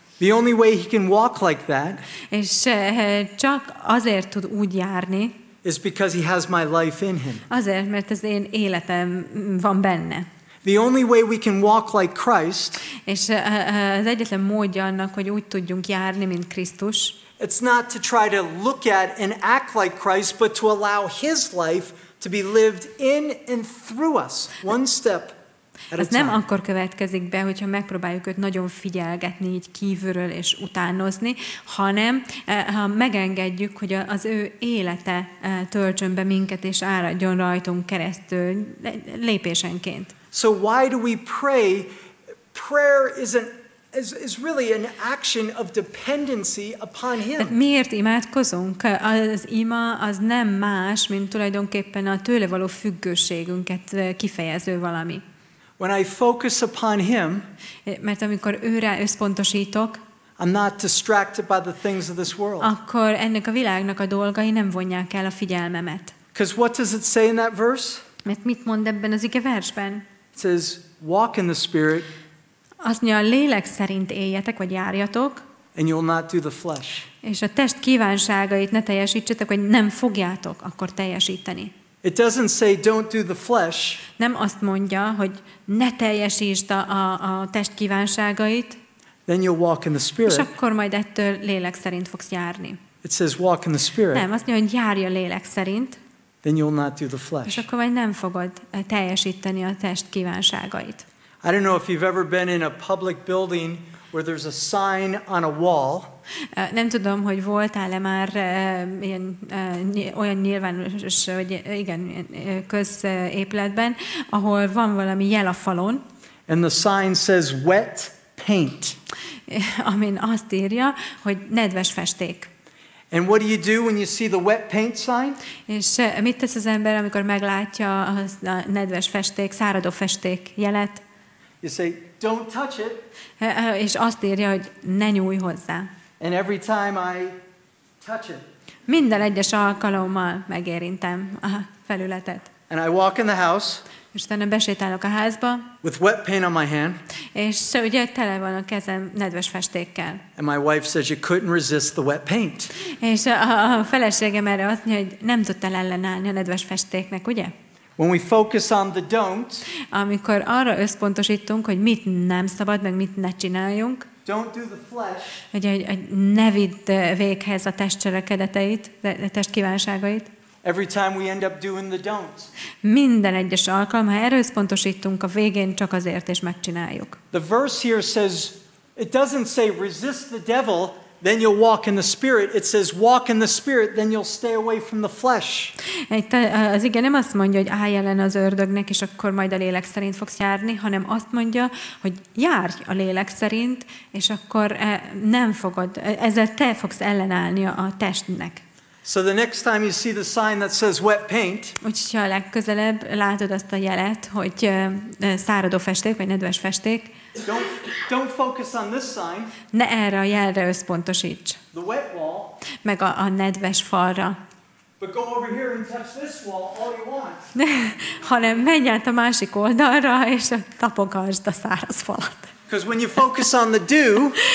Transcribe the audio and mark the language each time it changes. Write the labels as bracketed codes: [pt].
[en] The only way he can walk like that, [hu] és csak azért tud úgy járni, [en] is because he has my life in him. [hu] Azért, mert az én életem van benne. [en] The only way we can walk like Christ, [hu] és az egyetlen módja annak, hogy úgy tudjunk járni, mint Krisztus, [en] it's not to try to look at and act like Christ, but to allow his life to be lived in and through us, one step. [hu] Ez nem akkor következik be, hogyha megpróbáljuk őt nagyon figyelgetni így kívülről és utánozni, hanem ha megengedjük, hogy az ő élete töltsön be minket és áradjon rajtunk keresztül lépésenként. [en] So why do we pray? Prayer is really an action of dependency upon him. [hu] Miért imádkozunk? Az ima az nem más, mint tulajdonképpen a tőle való függőségünket kifejező valami. [en] When I focus upon him, [hu] mert amikor őre összpontosítok, [en] I'm not distracted by the things of this world. [hu] Akkor ennek a világnak a dolgai nem vonják el a figyelmemet. [en] Because what does it say in that verse? [hu] Mert mit mond ebben az ige versben? [en] It says, walk in the Spirit. [hu] Azt mondja, a lélek szerint éljetek, vagy járjatok. [en] And you'll not do the flesh. [hu] És a test kívánságait ne teljesítsetek, vagy nem fogjátok akkor teljesíteni. [en] It doesn't say don't do the flesh. [hu] Nem azt mondja, hogy ne teljesítsd a test kívánságait. [en] Then you'll walk in the Spirit. [hu] És akkor majd ettől lélek szerint fogsz járni. [en] It says walk in the Spirit. [hu] Nem, azt mondja, hogy járj a lélek szerint. [en] Then you'll not do the flesh. [hu] És akkor majd nem fogod teljesíteni a test kívánságait. [en] I don't know if you've ever been in a public building where there's a sign on a wall. [hu] Nem tudom, hogy voltál-e már ilyen, olyan nyilvános, vagy igen, középületben, ahol van valami jel a falon. [en] And the sign says wet paint. [hu] Amin azt írja, hogy nedves festék. [en] And what do you do when you see the wet paint sign? [hu] És mit tesz az ember, amikor meglátja a nedves festék, száradó festék jelet? [en] You say, don't touch it. [hu] És azt írja, hogy ne nyúj hozzá. [en] And every time I touch it. [hu] Minden egyes alkalommal megérintem a felületet. [en] And I walk in the house. [hu] És utána besétálok a házba. [en] With wet paint on my hand. [hu] És ugye tele van a kezem nedves festékkel. [en] And my wife says you couldn't resist the wet paint. [hu] És a feleségem erre azt mondja, hogy nem tudtál ellenállni a nedves festéknek, ugye? [en] When we focus on the don't. [hu] Amikor arra összpontosítunk, hogy mit nem szabad, meg mit ne csináljunk. [en] Don't do the flesh. [hu] Hogy ne vidd véghez a testcselekedeteit, a testkívánságait. [en] Every time we end up doing the don'ts. [hu] Minden egyes alkalom, ha erőszpontosítunk, a végén csak azért és megcsináljuk. [en] The verse here says, it doesn't say resist the devil, then you'll walk in the spirit. It says walk in the spirit, then you'll stay away from the flesh. [hu] Az ige nem azt mondja, hogy állj ellen az ördögnek, és akkor majd a lélek szerint fogsz járni, hanem azt mondja, hogy járj a lélek szerint, és akkor nem fogod, ezzel te fogsz ellenállni a testnek. [en] So the next time you see the sign that says wet paint, [hu] úgyhogy a legközelebb látod azt a jelet, hogy száradó festék vagy nedves festék. [en] Don't focus on this sign. [hu] Ne erre a jelre összpontosíts. [en] The wet wall. [hu] Meg a nedves falra. [en] But go over here and touch this wall all you want. [hu] Hanem menj át a másik oldalra és tapogasd a száraz falat. [en] Because when you focus on the do,